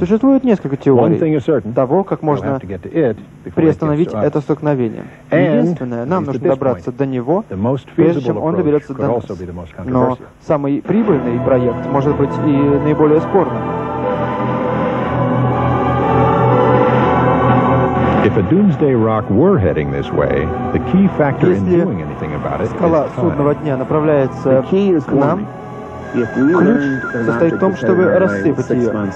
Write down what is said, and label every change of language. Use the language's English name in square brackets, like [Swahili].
[Russian] Существует несколько теорий. [English] One thing is certain. [Russian] Того, как можно приостановить это столкновение. Единственное, нам нужно добраться до него, прежде чем он доберется до нас. Но самый прибыльный проект может быть и наиболее спорным. [English] If a doomsday rock were heading this way, the key factor in doing anything about it is [Russian] скала судного дня направляется к нам. Ключ состоит в том, чтобы рассыпать ее.